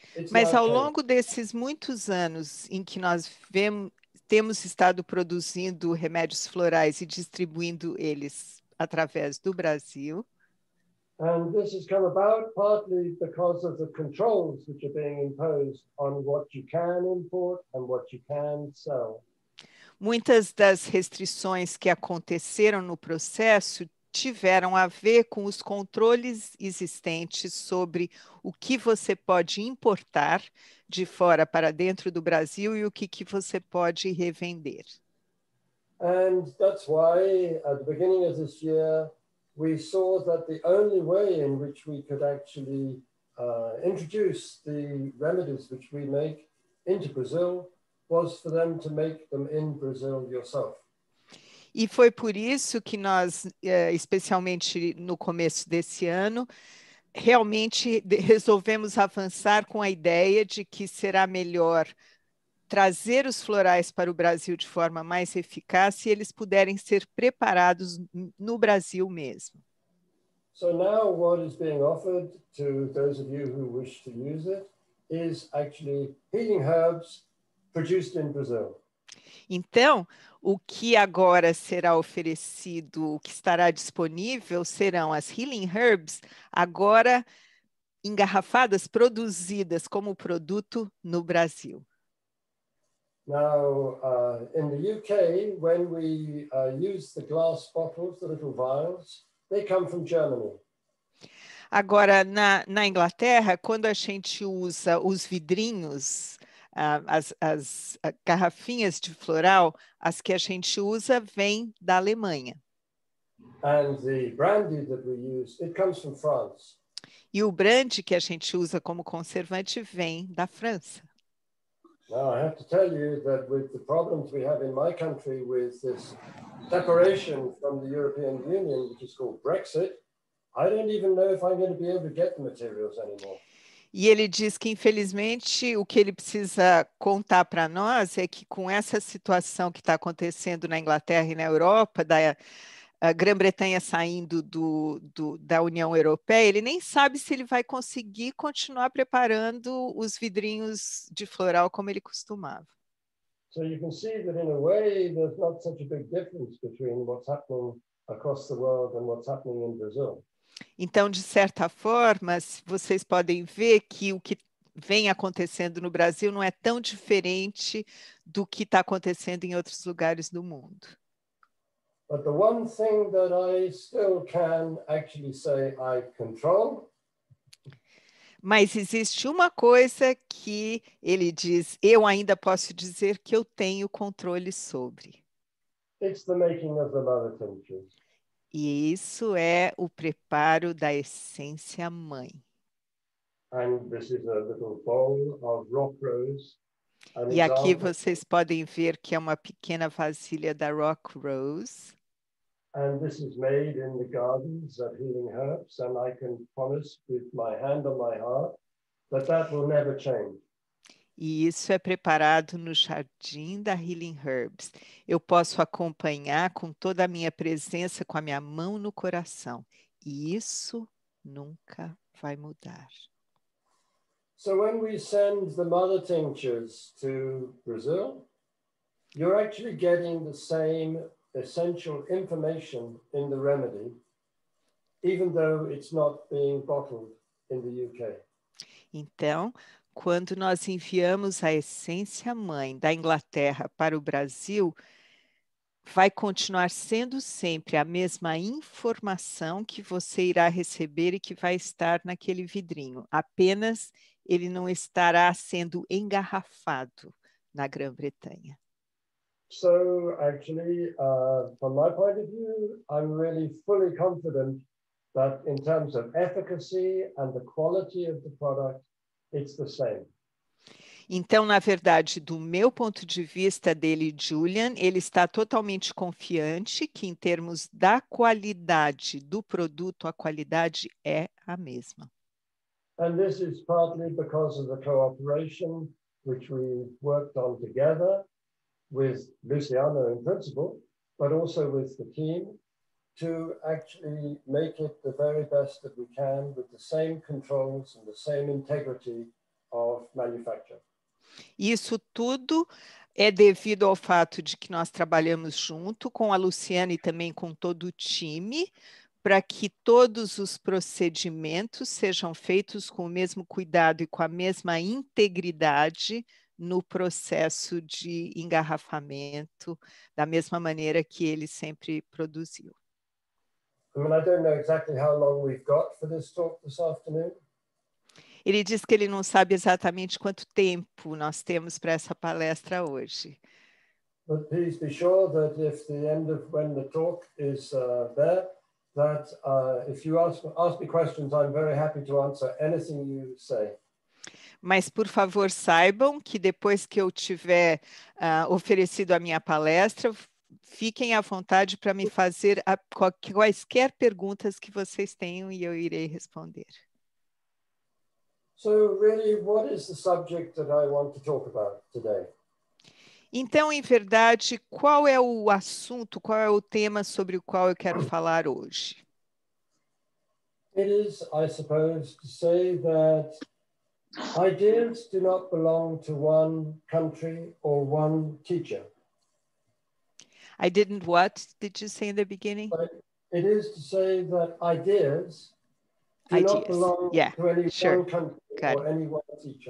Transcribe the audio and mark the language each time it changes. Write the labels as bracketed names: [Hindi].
[Portuguese] Mas ao longo desses muitos anos em que nós temos estado produzindo remédios florais e distribuindo eles através do Brasil. [English] And this has come about partly because of the controls which are being imposed on what you can import and what you can sell. [Portuguese] Muitas das restrições que aconteceram no processo tiveram a ver com os controles existentes sobre o que você pode importar de fora para dentro do Brasil e o que você pode revender. [English] And that's why, at the beginning of this year, we saw that the only way in which we could actually introduce the remedies which we make into Brazil was for them to make them in Brazil yourself. [Portuguese] E foi por isso que nós, especialmente no começo desse ano, realmente resolvemos avançar com a ideia de que será melhor trazer os florais para o Brasil de forma mais eficaz se eles puderem ser preparados no Brasil mesmo. [English] So now what is being offered to those of you who wish to use it is actually healing herbs produced in Brazil. [Portuguese] Então, o que agora será oferecido, o que estará disponível, serão as healing herbs, agora engarrafadas, produzidas como produto no Brasil. [English] Now, in the UK, when we use the glass bottles, the little vials, they come from Germany. [Portuguese] Agora, na Inglaterra, quando a gente usa os vidrinhos, as garrafinhas de floral, as que a gente usa, vêm da Alemanha. [English] And the brandy that we use, it comes from France. [Portuguese] E o brandy que a gente usa como conservante vem da França. [English] Now I have to tell you that with the problems we have in my country with this separation from the European Union, which is called Brexit, I don't even know if I'm going to be able to get the materials anymore. [Portuguese] E ele diz que, infelizmente, o que ele precisa contar para nós é que com essa situação que está acontecendo na Inglaterra e na Europa, da Grã-Bretanha saindo da União Europeia, ele nem sabe se ele vai conseguir continuar preparando os vidrinhos de floral como ele costumava. [English] So you can see that in a way there's not such a big difference between what's happening across the world and what's happening in Brazil. [Portuguese] Então, de certa forma, vocês podem ver que o que vem acontecendo no Brasil não é tão diferente do que está acontecendo em outros lugares do mundo. [English] But the one thing that I still can actually say I control. [Portuguese] Mas existe uma coisa que ele diz, eu ainda posso dizer que eu tenho controle sobre. [English] It's the making of the mother tinctures. [Portuguese] E isso é o preparo da essência mãe. [English] And this is a little bowl of rock rose. [Portuguese] E aqui vocês podem ver que é uma pequena vasilha da Rock Rose. [English] And this is made in the gardens of Healing Herbs, and I can promise with my hand on my heart that that will never change. [Portuguese] E isso é preparado no jardim da Healing Herbs. Eu posso acompanhar com toda a minha presença, com a minha mão no coração. E isso nunca vai mudar. [English] So when we send the mother tinctures to Brazil, you're actually getting the same essential information in the remedy, even though it's not being bottled in the UK. [Portuguese] Então, quando nós enviamos a essência mãe da Inglaterra para o Brasil, vai continuar sendo sempre a mesma informação que você irá receber e que vai estar naquele vidrinho. Apenas ele não estará sendo engarrafado na Grã-Bretanha. [English] So, actually, from my point of view, I'm really fully confident that in terms of efficacy and the quality of the product, it's the same. [Portuguese] Então, na verdade, do meu ponto de vista dele, Julian, ele está totalmente confiante que em termos da qualidade do produto, a qualidade é a mesma. [English] And this is partly because of the cooperation which we worked on together with Luciano in principle, but also with the team to actually make it the very best that we can with the same controls and the same integrity of manufacture. [Portuguese] Isso tudo é devido ao fato de que nós trabalhamos junto com a Luciana e também com todo o time para que todos os procedimentos sejam feitos com o mesmo cuidado e com a mesma integridade no processo de engarrafamento, da mesma maneira que ele sempre produziu. [English] I don't know exactly how long we've got for this talk this afternoon. [Portuguese] Ele diz que ele não sabe exatamente quanto tempo nós temos para essa palestra hoje. [English] But please be sure that if the end of when the talk is there, that if you ask me questions, I'm very happy to answer anything you say. [Portuguese] Mas, por favor, saibam que depois que eu tiver oferecido a minha palestra, fiquem à vontade para me fazer quaisquer perguntas que vocês tenham e eu irei responder. [English] So, really, what is the subject that I want to talk about today? [Portuguese] Então, em verdade, qual é o assunto, qual é o tema sobre o qual eu quero falar hoje? [English] It is, I suppose, to say that ideas do not belong to one country or one teacher. I didn't what, did you say in the beginning? But it is to say that ideas do not belong to any one country.